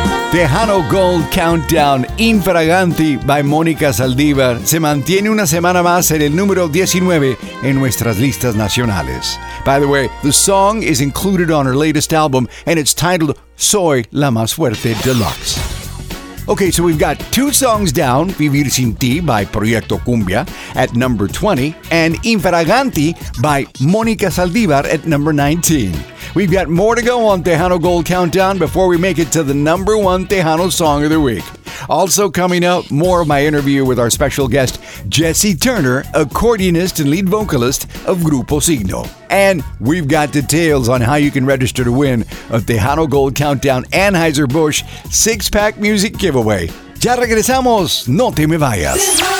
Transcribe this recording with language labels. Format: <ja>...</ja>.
<es>Tejano Gold Countdown Infraganti by Mónica Saldívar se mantiene una semana más en el número 19 en nuestras listas nacionales.</es> <en>By the way, the song is included on her latest album and it's titled Soy la Más Fuerte Deluxe. Okay, so we've got two songs down, Vivir Sin Ti by Proyecto Cumbia at number 20 and Infraganti by Mónica Saldívar at number 19. We've got more to go on Tejano Gold Countdown before we make it to the number one Tejano song of the week. Also coming up, more of my interview with our special guest, Jesse Turner, accordionist and lead vocalist of Grupo Signo. And we've got details on how you can register to win a Tejano Gold Countdown Anheuser-Busch six-pack music giveaway.</en> <es>Ya regresamos, no te me vayas.</es>